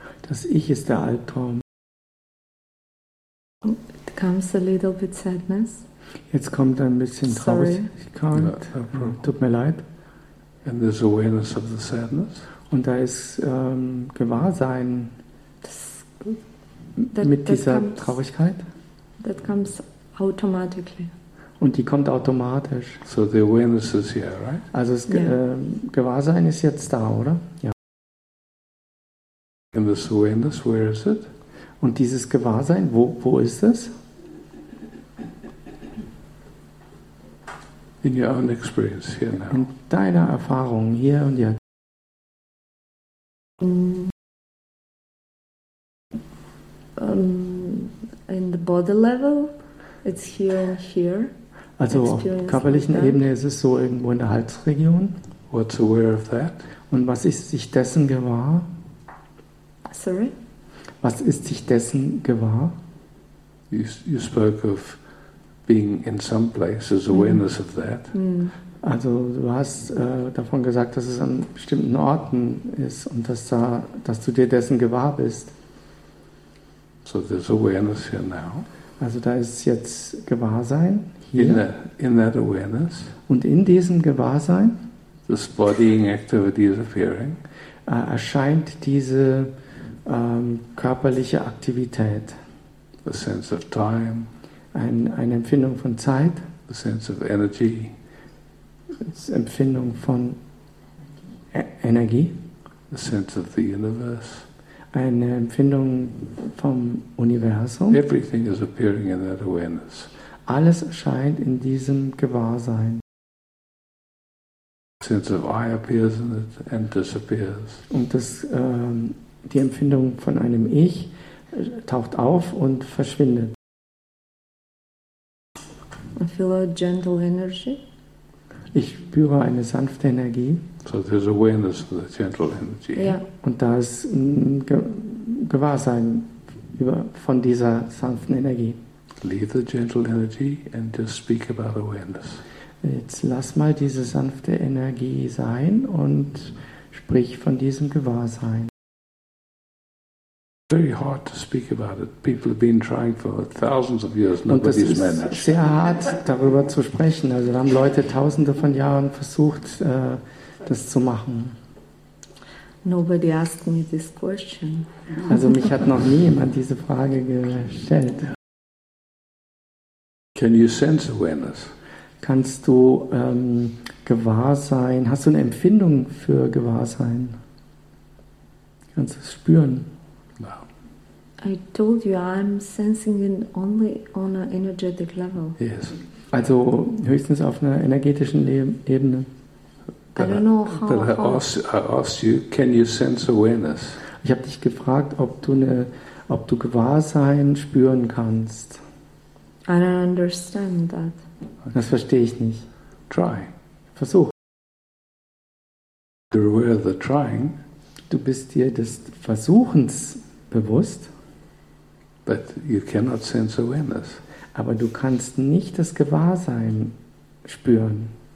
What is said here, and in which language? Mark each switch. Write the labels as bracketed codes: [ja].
[de] Das Ich ist der Albtraum. [en] It comes a little bit sadness. [de] Jetzt kommt ein bisschen Traurigkeit. Tut mir leid. [en] And there's awareness of the sadness. [de] Und da ist Gewahrsein mit dieser Traurigkeit. [en] That comes automatically. [de] Und die kommt automatisch. [en] So the awareness is here, right? [de] Also das Gewahrsein ist jetzt da, oder? Ja. [en] And this awareness, where is it? [de] Und dieses Gewahrsein, wo ist es? [en] In your own experience, here now. [de] In deiner Erfahrung, hier und jetzt. [en] In the body level, it's here and here. [de] Also auf körperlichen Ebene ist es so irgendwo in der Halsregion. [en] What's aware of that? [de] Und was ist sich dessen gewahr? [en] Sorry? [de] Was ist sich dessen gewahr? [en] You spoke of being in some place as awareness of that. [de] Also du hast davon gesagt, dass es an bestimmten Orten ist und dass du dir dessen gewahr bist. [en] So there's awareness here now. [de] Also da ist jetzt Gewahrsein. [en] In that awareness, [de] und in diesem Gewahrsein, [en] this bodying activity is appearing, [de] erscheint diese körperliche Aktivität. [en] The sense of time, [de] eine Empfindung von Zeit. [en] The sense of energy, [de] Empfindung von Energie. [en] The sense of the universe, [de] eine Empfindung vom Universum. [en] Everything is appearing in that awareness. [de] Alles erscheint in diesem Gewahrsein. [en] Sense of I appears in it and disappears. [de] Und das, die Empfindung von einem Ich taucht auf und verschwindet. [en] I feel a gentle energy. [de] Ich spüre eine sanfte Energie. [en] So there's awareness of the gentle energy. Yeah. [de] Und da ist ein Gewahrsein von dieser sanften Energie. [en] Leave the gentle energy and just speak about awareness. [de] Jetzt lass mal diese sanfte Energie sein und sprich von diesem Gewahrsein. [en] Very hard to speak about it. People have been trying for thousands of years. Nobody's managed. [de] Und es ist sehr hart, darüber zu sprechen. Also da haben Leute Tausende von Jahren versucht, das zu machen. [en] Nobody asked me this question. [de] Also mich hat noch nie jemand diese Frage gestellt. [en] Can you sense awareness? [de] Kannst du Gewahrsein, hast du eine Empfindung für Gewahrsein? Kannst du es spüren? [en] No. I told you I'm sensing it only on an energetic level. Yes. [de] Also höchstens auf einer energetischen Ebene. [en] But I don't know how. But I asked you, can you sense awareness? [de] Ich habe dich gefragt, ob du Gewahrsein spüren kannst. [en] I don't understand that. [de] Das verstehe ich nicht. [en] Try. [de] Versuch. [en] You're aware of the trying. [de] Du bist dir des Versuchens bewusst. [en] But you cannot sense awareness. [de] Aber du kannst nicht das Gewahrsein spüren.